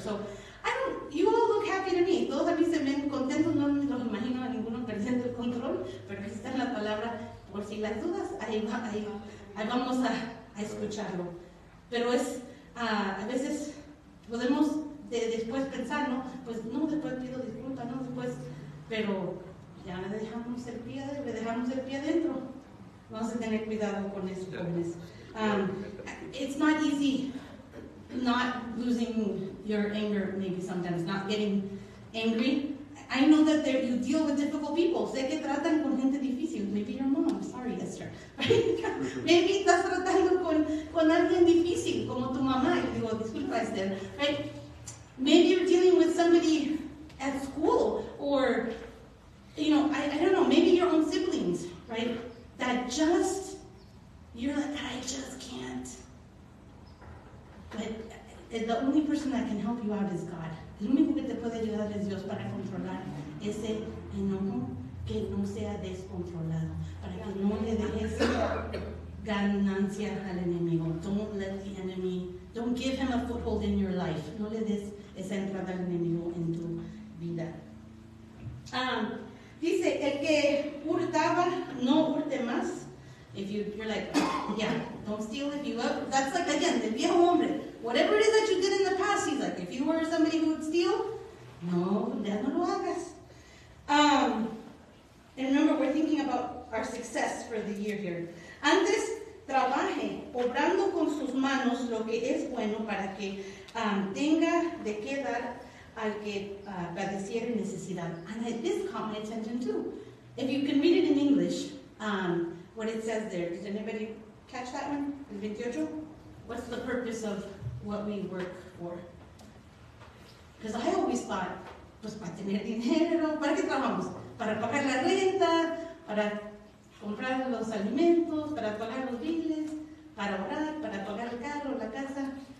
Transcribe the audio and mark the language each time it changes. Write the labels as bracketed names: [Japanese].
[English] So, I don't, you all look happy to me. [Spanish] Todos a mí se ven contentos, no me los imagino a ninguno perdiendo el control, pero aquí está la palabra, por si las dudas, ahí vamos a escucharlo. Pero es, a veces podemos después pensar, ¿no? Pues no, después pido disculpas, ¿no? Después, pero ya le dejamos el pie adentro. Vamos a tener cuidado con eso, jóvenes. [English] It's not easy not losing your anger, maybe sometimes, not getting angry. I know that there, you deal with difficult people. [Spanish] Sé que tratan con gente difícil. [English] Maybe your mom. Sorry, Esther. [Spanish] Maybe estás tratando con alguien difícil, como tu mamá. Y digo, disculpa, Esther. Right? [English] Maybe you're dealing with somebody at school, or, you know, I don't know, maybe your own siblings, right? That just, you're like, I just can't. But the only person that can help you out is God. [Spanish] El único que te puede ayudar es Dios para controlar ese enojo, que no sea descontrolado, para que no le dejes ganancia al enemigo. [English] Don't let the enemy, don't give him a foothold in your life. [Spanish] No le des esa entrada al enemigo en tu vida. Dice, el que hurtaba, no hurte más. [English] If you're like, yeah, don't steal if you have, that's like, again, the [Spanish] viejo hombre. [English] Whatever it is that you did in the past, he's like, if you were somebody who would steal, no, [Spanish] ya no lo hagas. [English] And remember, we're thinking about our success for the year here. [Spanish] Antes, trabaje, obrando con sus manos lo que es bueno para que tenga de qué dar al que padeciere necesidad. [English] And this caught my attention too. If you can read it in English, what it says there. Did anybody catch that one? El 28? What's the purpose of what we work for? Because I always thought, [Spanish] pues para tener dinero, ¿para qué trabajamos? Para pagar la renta, para comprar los alimentos, para pagar los biles, para ahorrar, para pagar el carro, la casa.